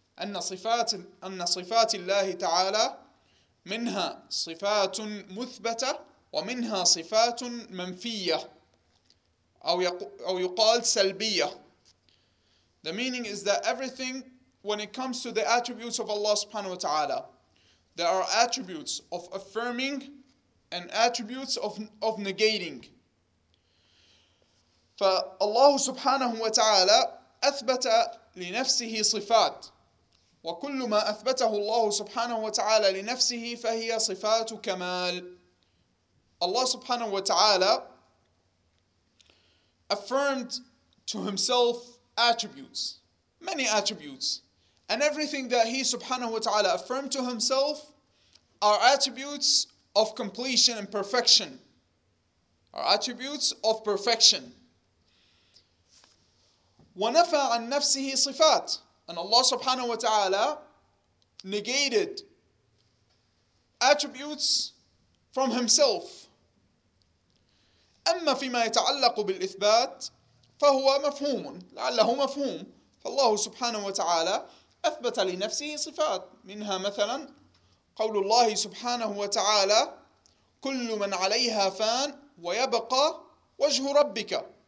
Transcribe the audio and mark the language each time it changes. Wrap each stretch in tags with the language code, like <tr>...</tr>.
<ar>أن صفات الله تعالى منها صفات مثبتة ومنها صفات منفية أو يقال سلبية.</ar> <en>The meaning is that everything, when it comes to the attributes of Allah subhanahu wa ta'ala, there are attributes of affirming and attributes of negating.</en> <ar>فالله سبحانه وتعالى أثبت لنفسه صفات, وكل ما أثبته الله سبحانه وتعالى لنفسه فهي صفات كمال.</ar> <en>الله سبحانه وتعالى affirmed to himself attributes, many attributes, and everything that he سبحانه وتعالى affirmed to himself are attributes of completion and perfection, are attributes of perfection.</en> <ar>ونفى عن نفسه صفات.</ar> <en>And Allah subhanahu wa ta'ala negated attributes from himself.</en> <ar>أما فيما يتعلق بالإثبات فهو مفهوم, لعله مفهوم. فالله سبحانه وتعالى أثبت لنفسه صفات, منها مثلا قول الله سبحانه وتعالى كل من عليها فان ويبقى وجه ربك.</ar>